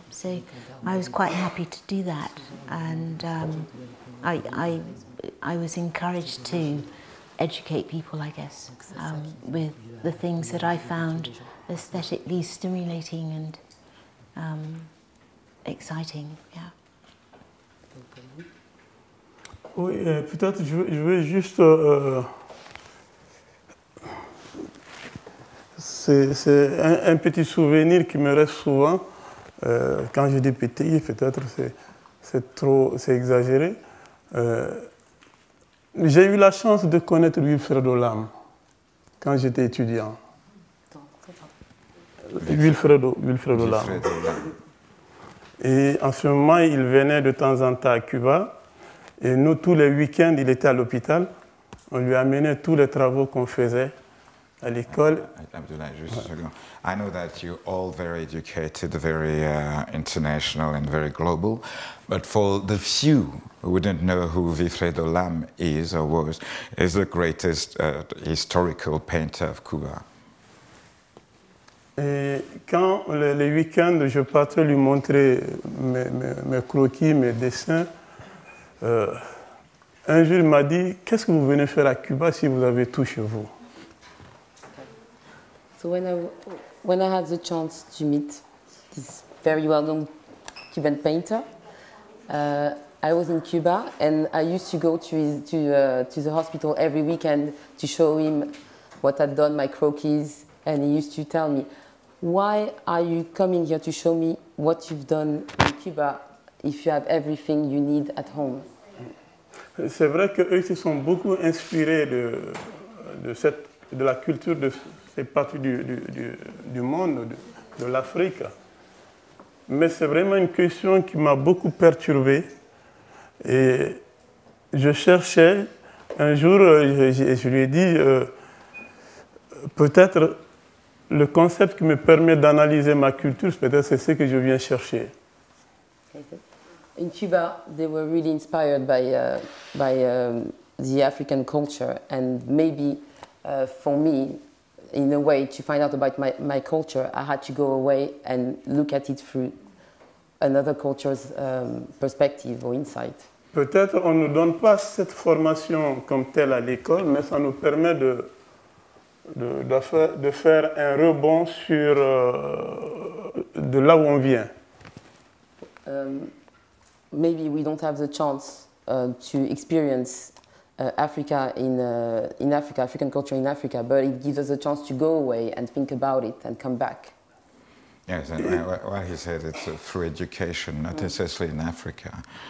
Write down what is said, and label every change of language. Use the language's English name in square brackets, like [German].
[English] So I was quite happy to do that, and I was encouraged to educate people, I guess, with the things that I found aesthetically stimulating and exciting. Yeah. [French] Oui, peut-être je veux juste c'est un petit souvenir qui me reste souvent quand je dis petit, peut-être c'est exagéré. J'ai eu la chance de connaître Louis Fredo Lam quand j'étais étudiant. Wilfredo Lam. Et en ce moment, il venait de temps en temps à Cuba. Et nous, tous les week-ends, il était à l'hôpital. On lui amenait tous les travaux qu'on faisait à l'école. Abdoulaye, juste une seconde. [English] I know that you're all very educated, very international and very global. But for the few who wouldn't know who Wilfredo Lam is or was, is the greatest historical painter of Cuba. [French] Et quand le week-end, je partais lui montrer mes croquis, mes dessins, un jour, il m'a dit, qu'est-ce que vous venez faire à Cuba si vous avez tout chez vous? [English] So when I had the chance to meet this very well-known Cuban painter, I was in Cuba, and I used to go to the hospital every weekend to show him what I'd done, my croquis, and he used to tell me, why are you coming here to show me what you've done in Cuba if you have everything you need at home? [French] C'est vrai qu'eux se sont beaucoup inspirés de la culture de ces parties du monde, de l'Afrique. Mais c'est vraiment une question qui m'a beaucoup perturbé. Et je cherchais, un jour, je lui ai dit, peut-être... Le concept qui me permet d'analyser ma culture, peut-être c'est ce que je viens chercher. [English] In Cuba, they were really inspired by the African culture, and maybe for me, in a way, to find out about my culture, I had to go away and look at it through another culture's perspective or insight. [French] Peut-être on ne donne pas cette formation comme telle à l'école, mais ça nous permet de faire un rebond sur de là où on vient. [English] Maybe we don't have the chance to experience Africa in Africa, African culture in Africa, but it gives us a chance to go away and think about it and come back. Yes, and he said it's through education, not necessarily in Africa.